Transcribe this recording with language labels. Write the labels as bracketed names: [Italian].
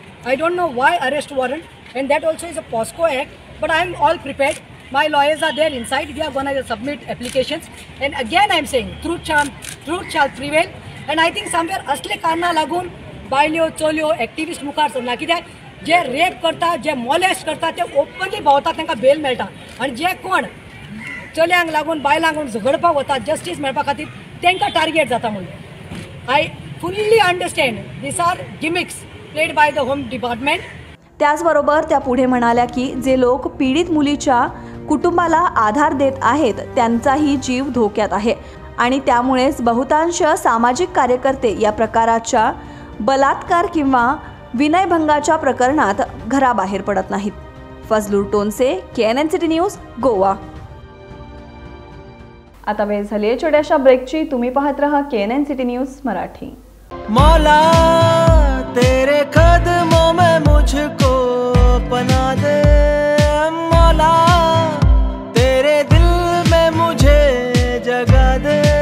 [English] I don't know why arrest warrant and that also is a POCSO act, but I am all prepared. My lawyers are there inside, we are gone I submit applications. And again I am saying truth shall prevail. And I think somewhere [Konkani] असले कारणां लागून बायल्यो चलयो ॲक्टिविस्ट मुखार सरना, कित्याक जे रेप करता जे मॉलेस्ट करता ते ओपनली भोंवतात, तांकां बेल मेळटा. आनी जे कोण चल्यांक लागून बायलांक झगडपाक वतात जस्टीस मेळपा खातीर तांकां टार्गेट जाता म्हणून. [English] I fully understand these are gimmicks played by the home department. [Marathi] त्याचबरोबर त्या पुढे म्हणाल्या की जे लोक पीडित मुलीच्या कुटुंबाला आधार देत आहेत त्यांचाही जीव धोक्यात आहे आणि त्यामुळेच बहुतांश सामाजिक कार्यकर्ते या प्रकाराच्या बलात्कार किंवा विनयभंगाच्या प्रकरणात घराबाहेर पडत नाहीत. फजलूर टोनसे, KNN City न्यूज, गोवा. आता वेळ झाली आहे छोट्याशा ब्रेकची. तुम्ही पाहत रहा KNN City न्यूज मराठी. [Hindi] मौला तेरे कदमों में मुझको पना दे, मौला तेरे दिल में मुझे जगा दे,